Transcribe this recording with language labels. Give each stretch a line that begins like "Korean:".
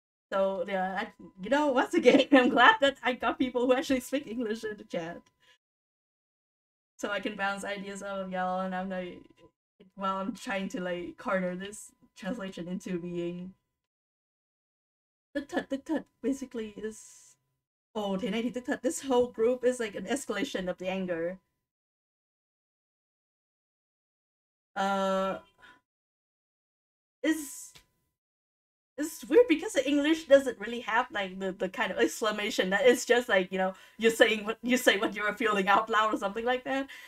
English: So yeah, you know, once again, I'm glad that I got people who actually speak English in the chat, so I can bounce ideas out of y'all, and I'm like, while I'm trying to like corner this translation into being.
Vietnamese: Tức thật
English: basically is,
Vietnamese: oh, thế này thì tức thật.
English: This whole group is like an escalation of the anger. It's weird because the English doesn't really have like the kind of exclamation that is just like, you know, you say what you're feeling out loud or something like that.